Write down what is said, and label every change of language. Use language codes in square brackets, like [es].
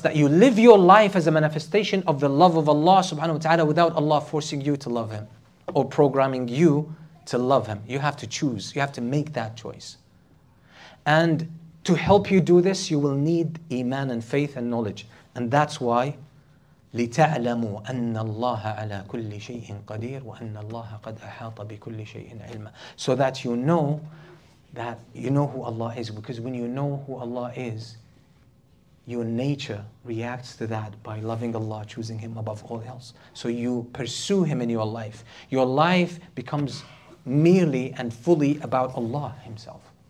[en] That you live your life as a manifestation of the love of Allah subhanahu wa ta'ala without Allah forcing you to love Him or programming you to love Him. You have to choose. You have to make that choice. And to help you do this, you will need iman and faith and knowledge. And that's why, [ar] لِتَعْلَمُوا أَنَّ اللَّهَ عَلَى كُلِّ شَيْءٍ قَدِيرٌ وَأَنَّ اللَّهَ قَدْ أَحَاطَ بِكُلِّ شَيْءٍ عِلْمًا. [en] So that you know that you know who Allah is. Because when you know who Allah is, your nature reacts to that by loving Allah, choosing Him above all else. So you pursue Him in your life. Your life becomes merely and fully about Allah Himself.